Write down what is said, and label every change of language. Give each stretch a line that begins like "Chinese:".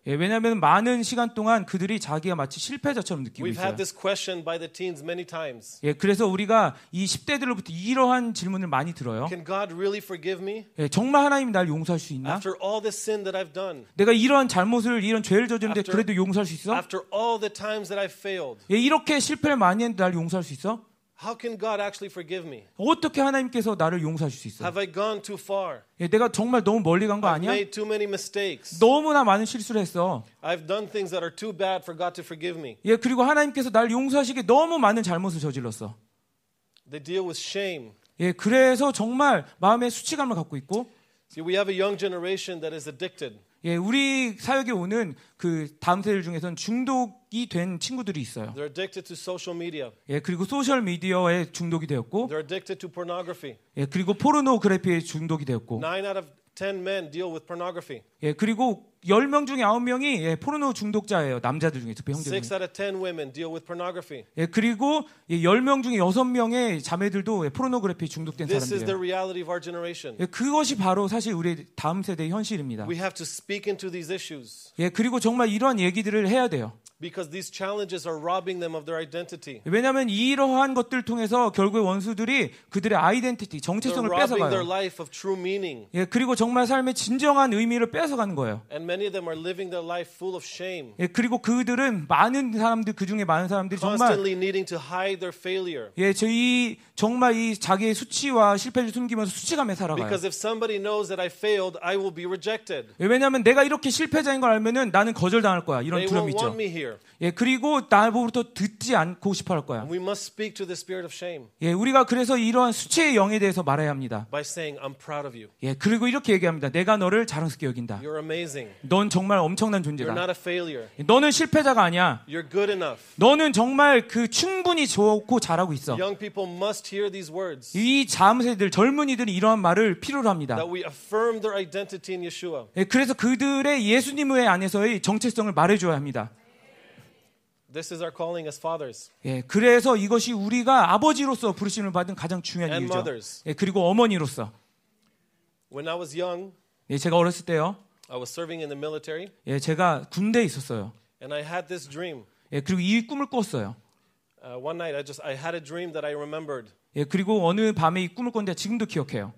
Korean: 예, 왜냐하면 많은 시간 동안 그들이 자기가 마치 실패자처럼 느끼고
English: We've
Korean: 있어요.
English: We've had this question by the teens many times.
Korean: 예, 그래서 우리가 이 10대들로부터 이러한 질문을 많이 들어요.
English: Can God really forgive me?
Korean: 예, 정말 하나님이 날 용서할 수 있나?
English: After all the sin that I've done.
Korean: 내가 이러한 잘못을 이런 죄를 저지른데 after, 그래도 용서할 수 있어?
English: After all the times that I've failed.
Korean: 예, 이렇게 실패를 많이 했는데 날 용서할 수 있어?
English: How can God actually forgive me?
Korean: 어떻게 하나님께서 나를 용서하실 수 있어?
English: Have I gone too far?
Korean: 예, 내가 정말 너무 멀리 간 거 아니야?
English: I've made too many mistakes.
Korean: 너무나 많은 실수를 했어.
English: I've done things that are too bad for God to forgive me.
Korean: 예, 그리고 하나님께서 날 용서하시기에 너무 많은 잘못을 저질렀어.
English: They deal with shame.
Korean: 예, 그래서 정말 마음에 수치감을 갖고 있고.
English: See, we have a young generation that is addicted.
Korean: 예, 우리 사역에 오는 그 다음 세대들 중에서는 중독이 된 친구들이 있어요.
English: They're addicted to social media.
Korean: 예, 그리고 소셜 미디어에 중독이 되었고.
English: They're addicted to pornography.
Korean: 예, 그리고 포르노그래피에 중독이 되었고.
English: 9 out of 10 men deal with pornography.
Korean: 예, 그리고 10명 중에 9명이 예, 포르노 중독자예요. 남자들 중에 특히 형제들.
English: 6 out of 10 women deal with pornography.
Korean: 예, 그리고 예, 10명 중에 6명의 자매들도 예, 포르노그래피에 중독된
English: This
Korean: 사람들이에요.
English: This is the reality of our generation.
Korean: 예, 그것이 바로 사실 우리 다음 세대의 현실입니다.
English: We have to speak into these issues.
Korean: 예, 그리고 정말 이러한 얘기들을 해야 돼요.
English: Because these challenges are robbing them of their identity.
Korean: 왜냐하면 이러한 것들 통해서 결국 원수들이 그들의 아이덴티티, 정체성을 뺏어가요.
English: They're robbing their life of true meaning.
Korean: 예, 그리고 정말 삶의 진정한 의미를 뺏어가는 거예요.
English: And many of them are living their life full of shame.
Korean: 예, 그리고 그들은 많은 사람들 그 중에 많은 사람들이
English: constantly constantly needing to hide their failure.
Korean: 예, 저희 정말 이 자기의 수치와 실패를 숨기면서 수치감에 살아가요.
English: Because if somebody knows that I failed, I will be rejected.
Korean: 예, 왜냐하면 내가 이렇게 실패자인 걸 알면은 나는 거절당할 거야. 이런 두려움이 있죠.
English: They won't want me here.
Korean: 예, 그리고 나부터 듣지 않고 싶어 할 거야.
English: We must speak to the spirit of shame.
Korean: 예, 우리가 그래서 이러한 수치의 영에 대해서 말해야 합니다.
English: By saying I'm proud of you.
Korean: 예, 그리고 이렇게 얘기합니다. 내가 너를 자랑스럽게 여긴다.
English: You're amazing.
Korean: 넌 정말 엄청난 존재다.
English: You're not a failure.
Korean: 너는 실패자가 아니야.
English: You're good enough.
Korean: 너는 정말 그 충분히 좋고 잘하고 있어.
English: Young people must hear these words.
Korean: 이 자음새들 젊은이들이 이러한 말을 필요로 합니다.
English: That we affirm their identity in Yeshua.
Korean: 예, 그래서 그들의 예수님의 안에서의 정체성을 말해 줘야 합니다.
English: This is our calling as fathers.
Korean: 예, 그래서 이것이 우리가 아버지로서 부르심을 받은 가장 중요한 이유죠.
English: And mothers.
Korean: 예, 그리고 어머니로서.
English: When I was young,
Korean: 예, 제가 어렸을 때요.
English: I was serving in the military.
Korean: 예, 제가 군대에 있었어요.
English: And I had this dream.
Korean: 예, 그리고 이 꿈을 꿨어요.
English: One night I had a dream that I remembered.
Korean: 예, 그리고 어느 밤에 이 꿈을 꿨는데 지금도 기억해요.